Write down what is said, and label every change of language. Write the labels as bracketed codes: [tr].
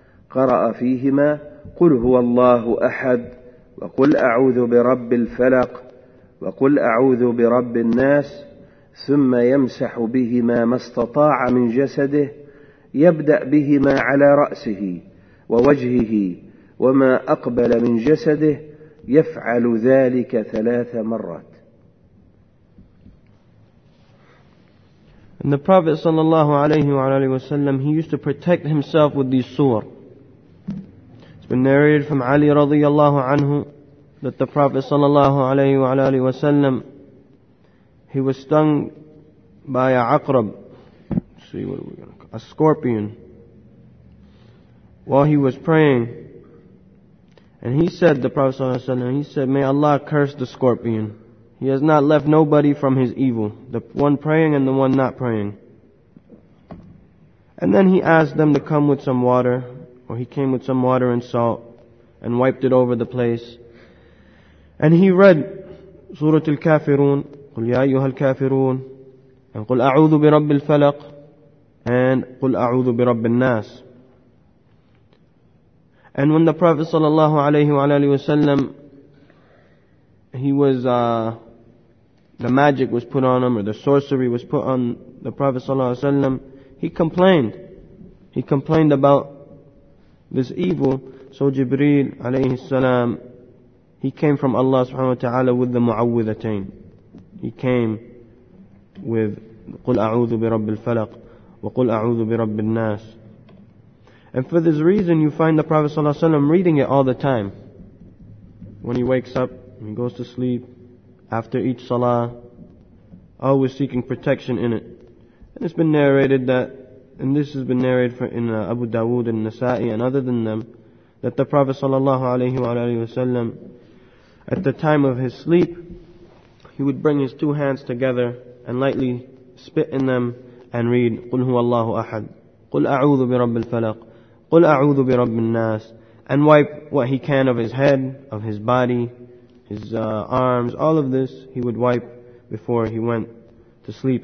[ar] قرأ فيهما قل هو الله أحد وقل أعوذ برب الفلق وقل أعوذ برب الناس، ثم يمسح بهما ما استطاع من جسده، يبدأ بهما على رأسه ووجهه وما أقبل من جسده، يفعل ذلك 3 مرات. [en] And the Prophet sallallahu alayhi wa alayhi wa sallam, he used to protect himself with these sur. It's been narrated from Ali radiyallahu anhu that the Prophet sallallahu alayhi wa alayhi wa sallam, he was stung by a aqrab. Let's see, what are we going to call a scorpion, while he was praying. And he said, the Prophet sallallahu alayhi wa sallam, he said, may Allah curse the scorpion. He has not left nobody from his evil, the one praying and the one not praying. And then he asked them to come with some water, or he came with some water and salt, and wiped it over the place. And he read Surah Al-Kafirun, [ar] قُلْ يَا أَيُّهَا الْكَافِرُونَ [en] and [ar] قُلْ أَعُوذُ بِرَبِّ الْفَلَقِ [en] and [ar] قُلْ أَعُوذُ بِرَبِّ النَّاسِ. [en] And when the Prophet sallallahu alayhi wa alayhi wa sallam, he was, the magic was put on him, or the sorcery was put on the Prophet sallallahu alayhi wa sallam, he complained. He complained about this evil. So Jibreel alayhi salam, he came from Allah subhanahu wa ta'ala with the mu'awwidhatayn. He came with [ar] قُلْ أَعُوذُ بِرَبِّ الْفَلَقِ وَقُلْ أَعُوذُ بِرَبِّ النَّاسِ. [en] And for this reason, you find the Prophet sallallahu alayhi wa sallam reading it all the time. When he wakes up, when he goes to sleep, after each salah, always seeking protection in it. And it's been narrated that, and this has been narrated for in Abu Dawood and Nasa'i and other than them, that the Prophet sallallahu alayhi wa sallam, at the time of his sleep, he would bring his 2 hands together and lightly spit in them and read, [ar] قُلْ هُوَ اللَّهُ أَحَدْ قُلْ أَعُوذُ بِرَبِّ الْفَلَقِ قُلْ أَعُوذُ بِرَبِّ النَّاسِ [en] and wipe what he can of his head, of his body, his arms, all of this he would wipe before he went to sleep.